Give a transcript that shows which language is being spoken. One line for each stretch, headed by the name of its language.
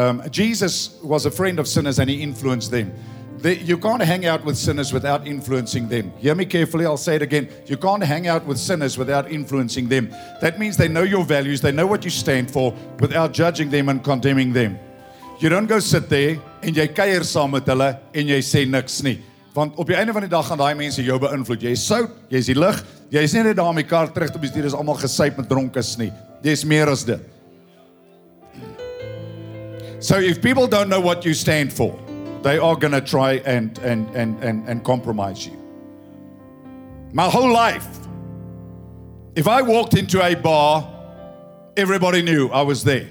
English: Jesus was a friend of sinners and he influenced them. You can't hang out with sinners without influencing them. Hear me carefully. I'll say it again. You can't hang out with sinners without influencing them. That means they know your values. They know what you stand for without judging them and condemning them. You don't go sit there
Afrikaans: en jy kuier saam met hulle en jy sê niks nie. Want op die einde van die dag gaan daai mense jou beïnvloed. Jy is sout, jy is die lig, jy is nie net daar om die kar terug te bestuur, is almal gesuip en dronkes nie. Jy is meer as dit.
English: So if people don't know what you stand for, they are going to try and compromise you. My whole life, if I walked into a bar, everybody knew I was there.